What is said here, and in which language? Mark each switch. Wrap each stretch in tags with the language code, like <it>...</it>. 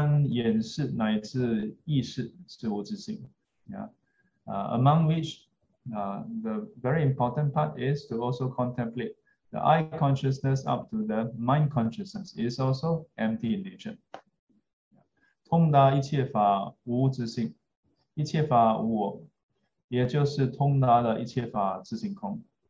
<zh>其中最重要的是观眼识乃至意识是无自性.</zh> <en>Among which, the very important part is to also contemplate the eye consciousness up to the mind consciousness is also empty in nature.</en> <zh>通达一切法无自性，一切法无我, 也就是通达了一切法自性空.</zh>